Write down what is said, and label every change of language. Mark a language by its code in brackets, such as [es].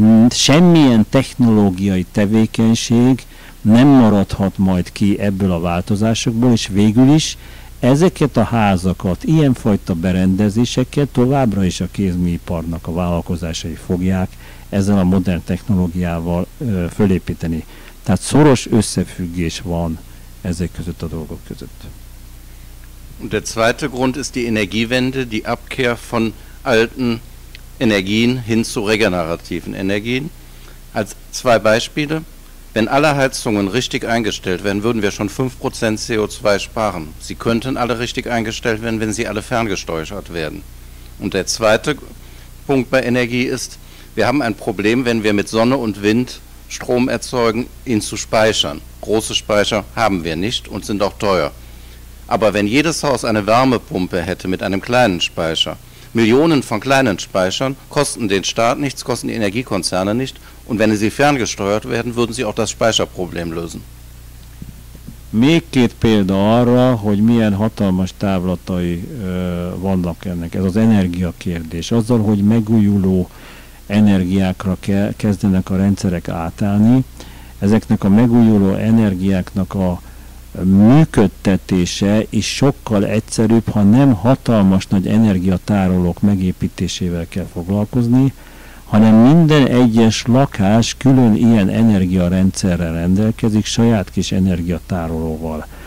[hu] semmilyen technológiai tevékenység nem maradhat majd ki ebből a változásokból, és végül is ezeket a házakat, ilyenfajta berendezéseket továbbra is a kézműiparnak a vállalkozásai fogják ezzel a modern technológiával fölépíteni. Tehát szoros összefüggés van ezek között a dolgok között. [de] Und der zweite Grund ist die Energiewende, die Abkehr von alten Energien hin zu regenerativen Energien. Als zwei Beispiele. Wenn alle Heizungen richtig eingestellt werden, würden wir schon 5% CO2 sparen. Sie könnten alle richtig eingestellt werden, wenn sie alle ferngesteuert werden. Und der zweite Punkt bei Energie ist, wir haben ein Problem, wenn wir mit Sonne und Wind Strom erzeugen, ihn zu speichern. Große Speicher haben wir nicht und sind auch teuer. Aber wenn jedes Haus eine Wärmepumpe hätte mit einem kleinen Speicher, Millionen von kleinen Speichern kosten den Staat nichts, kosten die Energiekonzerne nicht. Und wenn sie ferngesteuert werden, würden sie auch das Speicherproblem lösen. [hu] Még két példa arra, hogy milyen hatalmas távlatai vannak ennek. Ez az energiakérdés. Azzal, hogy megújuló energiákra kezdenek a rendszerek átállni, ezeknek a megújuló energiáknak a működtetése is sokkal egyszerűbb, ha nem hatalmas nagy energiatárolók megépítésével kell foglalkozni, hanem minden egyes lakás külön ilyen energiarendszerrel rendelkezik, saját kis energiatárolóval.